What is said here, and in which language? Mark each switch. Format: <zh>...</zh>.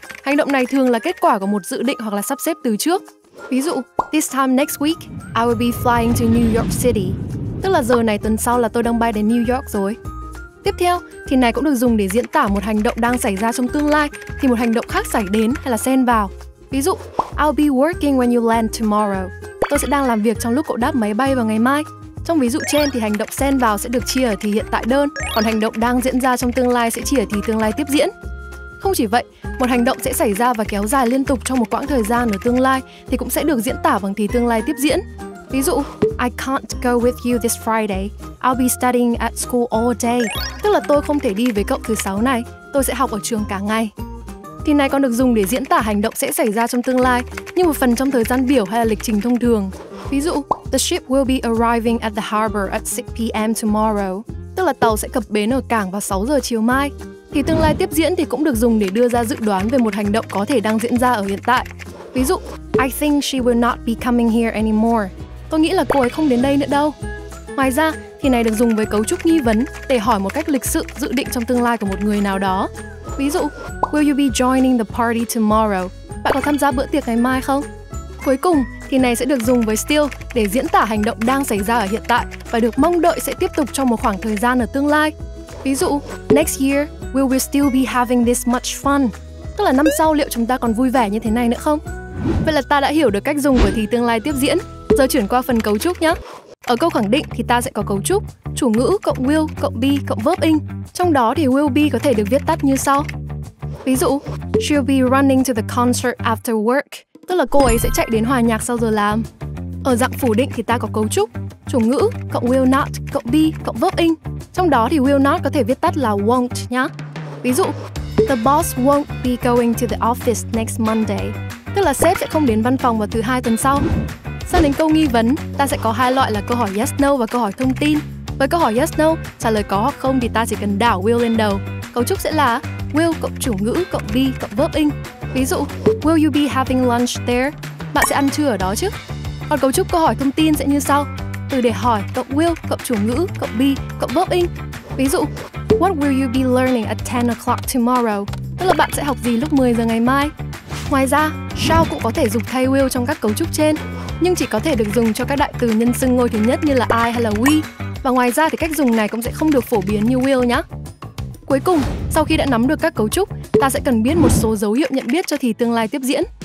<vi>Hành động này thường là kết quả của một dự định hoặc là sắp xếp từ trước. Ví dụ,</vi> <en>this time next week, I will be flying to New York City.</en> <vi>Tức là giờ này tuần sau là tôi đang bay đến New York rồi. Tiếp theo, thì này cũng được dùng để diễn tả một hành động đang xảy ra trong tương lai thì một hành động khác xảy đến hay là xen vào. Ví dụ,</vi> <en>I'll be working when you land tomorrow.</en> <vi>Tôi sẽ đang làm việc trong lúc cậu đáp máy bay vào ngày mai. Trong ví dụ trên thì hành động xen vào sẽ được chia ở thì hiện tại đơn, còn hành động đang diễn ra trong tương lai sẽ chia ở thì tương lai tiếp diễn. Không chỉ vậy, một hành động sẽ xảy ra và kéo dài liên tục trong một quãng thời gian ở tương lai thì cũng sẽ được diễn tả bằng thì tương lai tiếp diễn. Ví dụ,</vi> <en>I can't go with you this Friday. I'll be studying at school all day.</en> <vi>Tức là tôi không thể đi với cậu thứ sáu này, tôi sẽ học ở trường cả ngày. Thì này còn được dùng để diễn tả hành động sẽ xảy ra trong tương lai như một phần trong thời gian biểu hay là lịch trình thông thường. Ví dụ,</vi> <en>the ship will be arriving at the harbor at 6 p.m. tomorrow.</en> <vi>Tức là tàu sẽ cập bến ở cảng vào 6 giờ chiều mai. Thì tương lai tiếp diễn thì cũng được dùng để đưa ra dự đoán về một hành động có thể đang diễn ra ở hiện tại. Ví dụ,</vi> <en>I think she will not be coming here anymore.</en> <vi>Tôi nghĩ là cô ấy không đến đây nữa đâu. Ngoài ra, thì này được dùng với cấu trúc nghi vấn để hỏi một cách lịch sự dự định trong tương lai của một người nào đó. Ví dụ,</vi> <en>will you be joining the party tomorrow?</en> <vi>Bạn có tham gia bữa tiệc ngày mai không? Cuối cùng, thì này sẽ được dùng với still để diễn tả hành động đang xảy ra ở hiện tại và được mong đợi sẽ tiếp tục trong một khoảng thời gian ở tương lai. Ví dụ,</vi> <en>next year, will we still be having this much fun?</en> <vi>Tức là năm sau liệu chúng ta còn vui vẻ như thế này nữa không? Vậy là ta đã hiểu được cách dùng của thì tương lai tiếp diễn. Giờ chuyển qua phần cấu trúc nhé. Ở câu khẳng định thì ta sẽ có cấu trúc chủ ngữ cộng will cộng be cộng verb in. Trong đó thì will be có thể được viết tắt như sau. Ví dụ,</vi> <en>she'll be running to the concert after work.</en> <vi>Tức là cô ấy sẽ chạy đến hòa nhạc sau giờ làm. Ở dạng phủ định thì ta có cấu trúc chủ ngữ cộng will not cộng be cộng verb in. Trong đó thì will not có thể viết tắt là won't nhá. Ví dụ,</vi> <en>the boss won't be going to the office next Monday.</en> <vi>Tức là sếp sẽ không đến văn phòng vào thứ hai tuần sau. Sang đến câu nghi vấn, ta sẽ có hai loại là câu hỏi yes no và câu hỏi thông tin. Với câu hỏi yes no, trả lời có hoặc không thì ta chỉ cần đảo will lên đầu. Cấu trúc sẽ là will cộng chủ ngữ cộng be cộng verb in. Ví dụ,</vi> <en>will you be having lunch there?</en> <vi>Bạn sẽ ăn trưa ở đó chứ? Còn cấu trúc câu hỏi thông tin sẽ như sau. Từ để hỏi cộng will cộng chủ ngữ cộng be cộng verb in. Ví dụ,</vi> <en>what will you be learning at 10 o'clock tomorrow?</en> <vi>Tức là bạn sẽ học gì lúc 10 giờ ngày mai? Ngoài ra, shall cũng có thể dùng thay will trong các cấu trúc trên, nhưng chỉ có thể được dùng cho các đại từ nhân xưng ngôi thứ nhất như là I hay là we. Và ngoài ra thì cách dùng này cũng sẽ không được phổ biến như will nhé. Cuối cùng, sau khi đã nắm được các cấu trúc, ta sẽ cần biết một số dấu hiệu nhận biết cho thì tương lai tiếp diễn.</vi>